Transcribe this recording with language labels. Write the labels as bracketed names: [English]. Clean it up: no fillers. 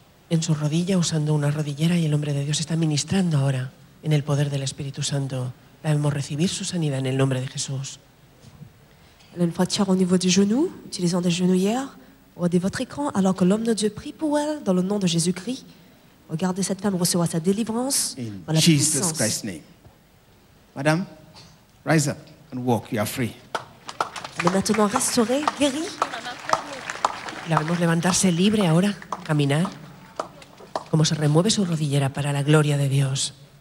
[Spanish] En su rodilla, usando una rodillera, y el hombre de Dios está ministrando ahora en el poder del Espíritu Santo. Debemos recibir su sanidad en el nombre de Jesús. [French] Elle a une fracture au niveau du genou, utilisant des genouillères. Regardez votre écran, alors que l'homme de Dieu prie pour elle, dans le nom de Jésus-Christ. Regardez cette femme recevoir sa délivrance. [English] In Jesus Christ's name. Madame, rise up and walk, you are free. [French] Elle est maintenant restaurée, guérie. [Spanish] La vemos levantarse libre ahora, caminar. Como se remueve su rodillera para la gloria de Dios.